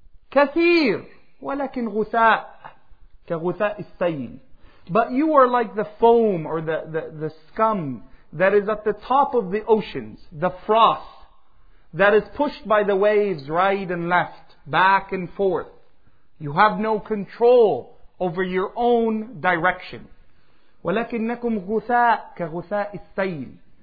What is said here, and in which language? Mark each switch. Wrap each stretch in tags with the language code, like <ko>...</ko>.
<ar>كثير ولكن غثاء كغثاء السيل.</ar> <en>But you are like the foam or the scum that is at the top of the oceans, the froth that is pushed by the waves right and left, back and forth. You have no control over your own direction.</en> <ar>ولكنكم غثاء كغثاء السيل.</ar>